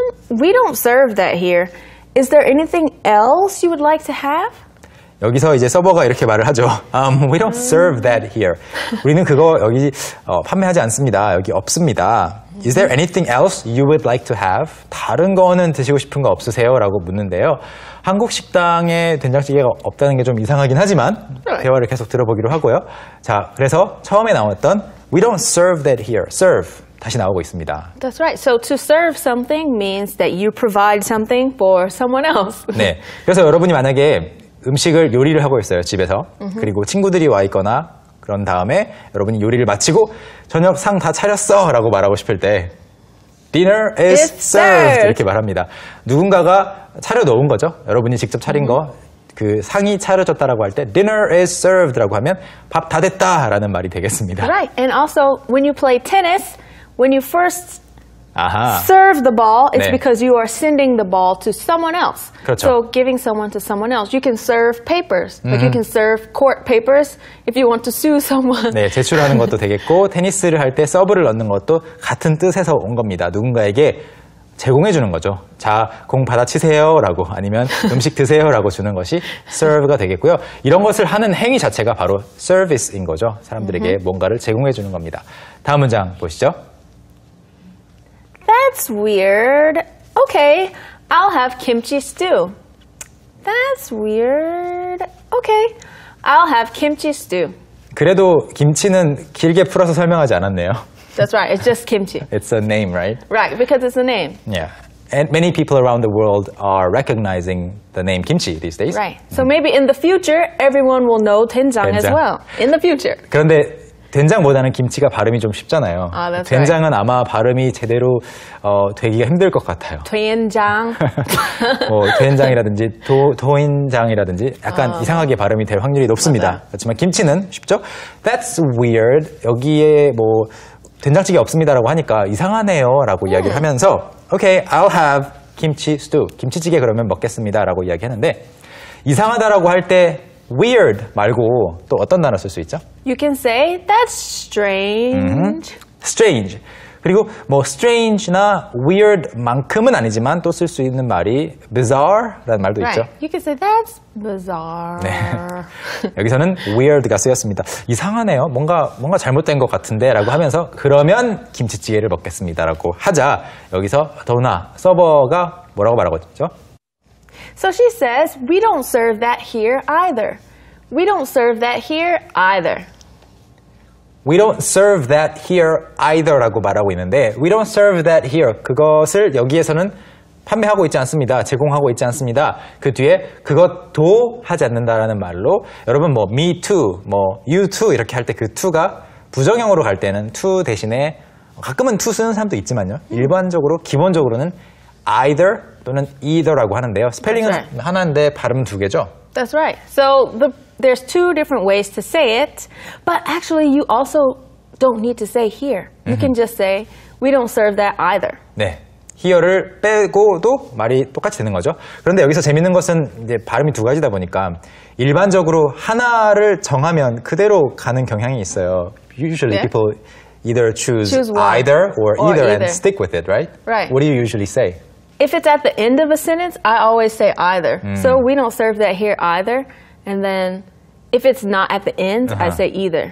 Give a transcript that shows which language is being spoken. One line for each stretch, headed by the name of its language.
English: We don't serve that here. Is there anything else you would like to have?
Korean: 여기서 이제 서버가 이렇게 말을 하죠.
English: We don't serve that here.
Korean: 우리는 그거 여기 판매하지 않습니다. 여기 없습니다.
English: Is there anything else you would like to have?
Korean: 다른 거는 드시고 싶은 거 없으세요? 라고 묻는데요. 한국 식당에 된장찌개가 없다는 게 좀 이상하긴 하지만 대화를 계속 들어보기로 하고요. 자, 그래서 처음에 나왔던
English: We don't serve that here.
Korean: Serve. 다시 나오고 있습니다.
English: That's right. So to serve something means that you provide something for someone else.
Korean: 네. 그래서 여러분이 만약에 음식을 요리를 하고 있어요. 집에서. 그리고 친구들이 와 있거나 그런 다음에 여러분이 요리를 마치고 저녁 상 다 차렸어 라고 말하고 싶을 때
English: Dinner is served
Korean: 이렇게 말합니다. 누군가가 차려놓은 거죠. 여러분이 직접 차린 거 그 상이 차려졌다라고 할 때
English: Dinner is served
Korean: 라고 하면 밥 다 됐다 라는 말이 되겠습니다.
English: Right. And also when you play tennis, when you first serve the ball, it's 네. because you are sending the ball to someone else.
Korean: 그렇죠.
English: So giving someone to someone else. You can serve papers. Like you can serve court papers if you want to sue someone.
Korean: 네, 제출하는 것도 되겠고 테니스를 할 때 서브를 넣는 것도 같은 뜻에서 온 겁니다. 누군가에게 제공해 주는 거죠. 자, 공 받아치세요 라고 아니면 음식 드세요 라고 주는 것이 serve가 되겠고요. 이런 것을 하는 행위 자체가 바로 service인 거죠. 사람들에게 뭔가를 제공해 주는 겁니다. 다음 문장 보시죠.
English: That's weird. Okay, I'll have kimchi stew. That's weird. Okay, I'll have kimchi stew.
Korean: 그래도 김치는 길게 풀어서 설명하지 않았네요.
English: That's right. It's just kimchi. It's a name, right? Right, because it's a name. Yeah. And many people around the world are recognizing the name kimchi these days. Right. So maybe in the future, everyone will know 된장 as well. In the future.
Korean: 그런데 된장보다는 김치가 발음이 좀 쉽잖아요.
English: 아, that's
Korean: 된장은
English: right.
Korean: 아마 발음이 제대로 되기가 힘들 것 같아요. 된장. 뭐, 된장이라든지 도인장이라든지 약간 이상하게 발음이 될 확률이 높습니다. 맞아요. 그렇지만 김치는 쉽죠?
English: That's weird.
Korean: 여기에 뭐 된장찌개 없습니다라고 하니까 이상하네요 라고 이야기를 하면서
English: Okay, I'll have kimchi stew.
Korean: 김치찌개 그러면 먹겠습니다 라고 이야기하는데 이상하다라고 할 때 Weird 말고 또 어떤 단어 쓸 수 있죠?
English: You can say that's strange.
Korean: Strange. 그리고 뭐 strange나 weird만큼은 아니지만 또 쓸 수 있는 말이 bizarre라는 말도
English: right.
Korean: 있죠.
English: You can say that's bizarre.
Korean: 네. 여기서는 weird가 쓰였습니다. 이상하네요. 뭔가 잘못된 것 같은데 라고 하면서 그러면 김치찌개를 먹겠습니다 라고 하자 여기서 도나 서버가 뭐라고 말하고 있죠?
English: So she says, we don't serve that here either. We don't serve that here either. We don't serve that here either
Korean: 라고 말하고 있는데
English: We don't serve that here.
Korean: 그것을 여기에서는 판매하고 있지 않습니다. 제공하고 있지 않습니다. 그 뒤에 그것도 하지 않는다라는 말로 여러분 뭐 me too, 뭐 you too 이렇게 할 때 그 to가 부정형으로 갈 때는 to 대신에 가끔은 to 쓰는 사람도 있지만요. 일반적으로 기본적으로는 either 또는 either라고 하는데요. 스펠링은
English: That's right.
Korean: 하나인데 발음은 두 개죠?
English: That's right. So there's two different ways to say it, but actually you also don't need to say here. You can just say, we don't serve that either.
Korean: 네. here를 빼고도 말이 똑같이 되는 거죠. 그런데 여기서 재밌는 것은 이제 발음이 두 가지다 보니까 일반적으로 하나를 정하면 그대로 가는 경향이 있어요.
English: Usually yeah. people either choose either or either and stick with it, right? Right. What do you usually say? If it's at the end of a sentence, I always say either. So we don't serve that here either. And then if it's not at the end, I say either.